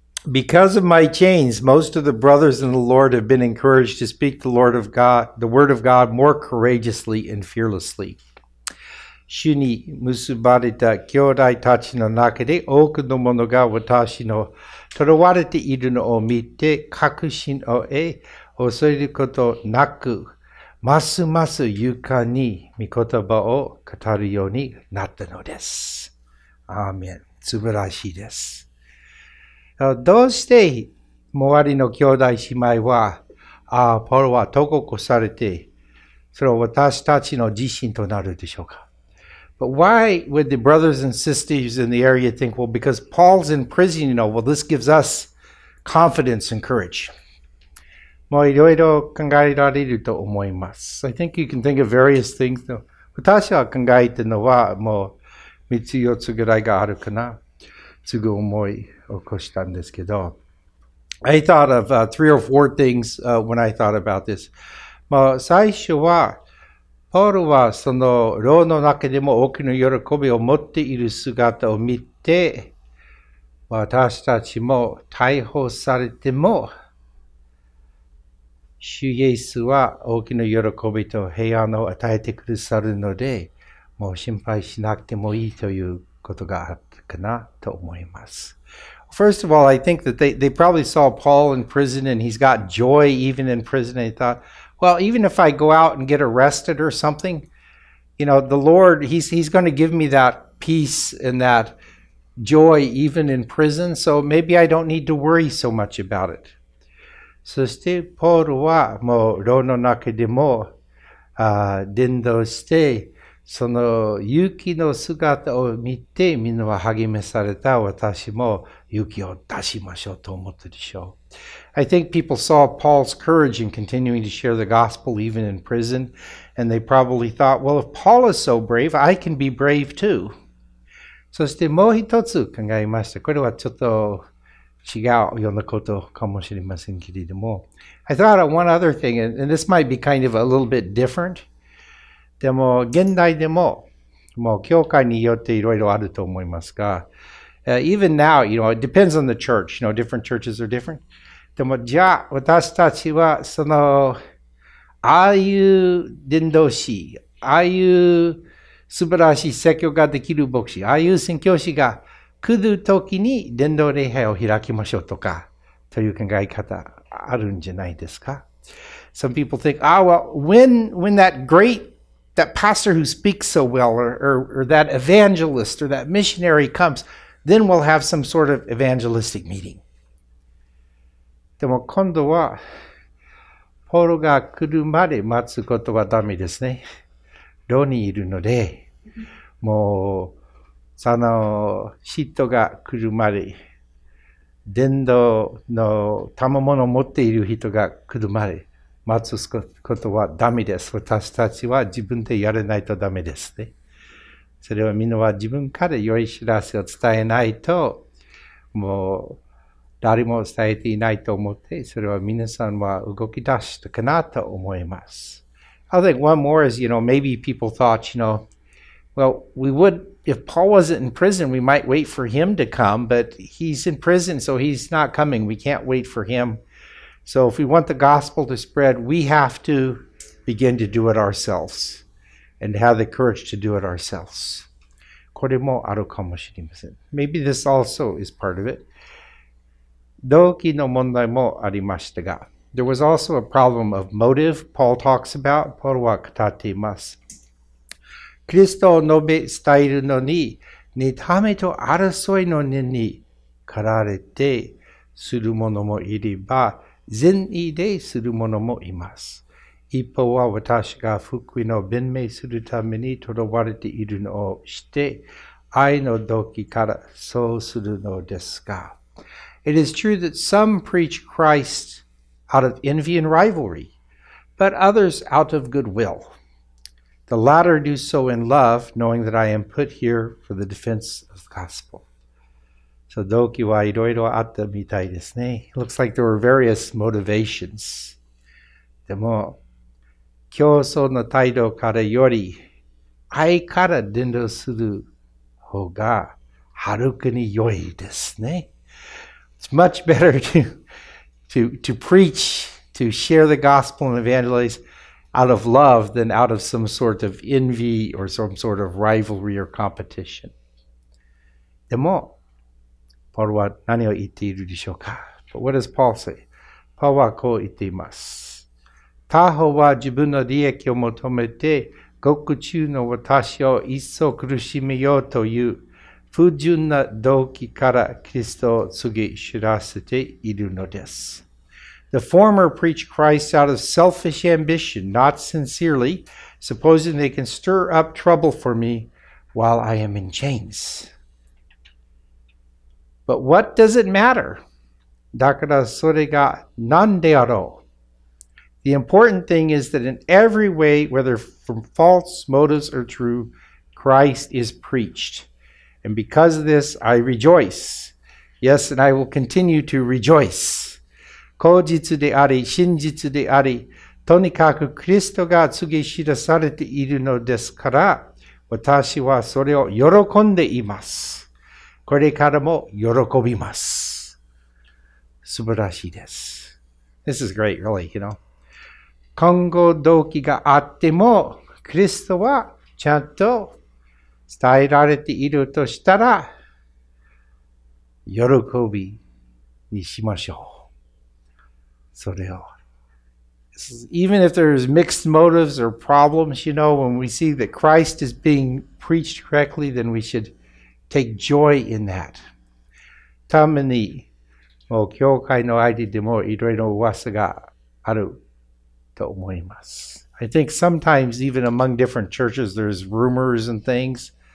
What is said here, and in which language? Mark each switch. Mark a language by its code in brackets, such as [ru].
[en] Because of my chains, most of the brothers in the Lord have been encouraged to speak the Lord of God, the Word of God more courageously and fearlessly. [ja] 主に結ばれた兄弟たちの中で多くの者が私の囚われているのを見て確信を得、恐れることなく、ますます勇敢に御言葉を語るようになったのです。アーメン。素晴らしいです。どうして周りの兄弟姉妹はパウロは投獄されて、それは私たちの自信となるでしょうか。 [en] But why would the brothers and sisters in the area think, well, because Paul's in prison, you know, well, this gives us confidence and courage? [ja] もういろいろ考えられると思います。 [en] I think you can think of various things, though. [ja] 私は考えてるのはもう3つ4つぐらいがあるかな。すぐ思い起こしたんですけど。 [en] I thought of three or four things when I thought about this. [ja] まあ最初は、ポールはその牢の中でも大きな喜びを持っている姿を見て、私たちも逮捕されても、主イエスは大きな喜びと平安を与えてくださるので、もう心配しなくてもいいという、ことがあったかなと思います。 [en] First of all, I think that they probably saw Paul in prison and he's got joy even in prison. And they thought, well, even if I go out and get arrested or something, you know, the Lord, he's going to give me that peace and that joy even in prison. So maybe I don't need to worry so much about it. [ja] そしてポールはもう牢の中でも伝道して、その勇気の姿を見て、みんなは励めされた私も勇気を出しましょうと思ったでしょう。 [en] I think people saw Paul's courage in continuing to share the gospel even in prison, and they probably thought, well, if Paul is so brave, I can be brave too. [ja] そしてもう一つ考えました。これはちょっと違うようなことかもしれませんけれども。 [en] I thought of one other thing, and this might be kind of a little bit different. [ja] でも現代でも、もう教会によっていろいろあると思いますが、 [en] even now, you know, it depends on the church. You know, different churches are different. [ja] でもじゃあ私たちはそのああいう伝道師、ああいう素晴らしい説教ができる牧師、ああいう宣教師が来る時に伝道礼拝を開きましょうとかという考え方あるんじゃないですか。 [en] Some people think, ah, well, when that greatThat pastor who speaks so well, or that evangelist, or that missionary comes, then we'll have some sort of evangelistic meeting. [ja] でも今度は、ポールが来るまで待つことはダメですね。牢にいるので、もう、その、人が来るまで、伝道の賜物を持っている人が来るまで、待つことはダメです。私たちは自分でやらないとダメですね。それはみんなは自分から良い知らせを伝えないと、もう誰も伝えていないと思って、それは皆さんは動き出したかなと思います。 [en] I think one more is, you know, maybe people thought, you know, well, we would, if Paul wasn't in prison, we might wait for him to come, but he's in prison, so he's not coming. We can't wait for him. So if we want the gospel to spread, we have to begin to do it ourselves. And have the courage to do it ourselves. [ja] これもあるかもしれません。 [en] Maybe this also is part of it. [ja] 動機の問題もありましたが。 [en] There was also a problem of motive Paul talks about. [ja] ポールは語っています。キリストを述べ伝えるのに、妬みと争いの根に駆られてする者もいれば、善意でする者もいます。一方は私が福音を弁明するために囚われているのを知って、愛の動機からそうするのですが。 [en] It is true that some preach Christ out of envy and rivalry, but others out of goodwill. The latter do so in love, knowing that I am put here for the defense of the gospel. [ja] So 動機はいろいろあったみたいですね。 [en] Looks like there were various motivations. [ja] でも、競争の態度からより愛から伝道する方がはるかに良いですね。 [en] It's much better to preach, to share the gospel and evangelize out of love than out of some sort of envy or some sort of rivalry or competition. [ja] でも、パウロは何を言っているでしょうか? [en] But what does Paul say? [ja] パウロはこう言っています。他方は自分の利益を求めて、獄中の私を一層苦しめようという不純な動機からキリストを告げ知らせているのです。 [en] The former preach Christ out of selfish ambition, not sincerely, supposing they can stir up trouble for me while I am in chains. But what does it matter? [ja] だからそれが何であろう。 [en] The important thing is that in every way, whether from false motives or true, Christ is preached. And because of this, I rejoice. Yes, and I will continue to rejoice. [ja] 公実であり、真実であり、とにかくキリストが告げ知らされているのですから、私はそれを喜んでいます。これからも喜びます。素晴らしいです。 [en] This is great, really, you know. [ja] 今後動機があっても、キリストはちゃんと伝えられているとしたら、喜びにしましょう。それを。 [en] Even if there's mixed motives or problems, you know, when we see that Christ is being preached correctly, then we should take joy in that. [ja] たまに、もう教会の間でもいろいろ噂がある。と思います。 [en] I think sometimes even among different churches there's rumors and things.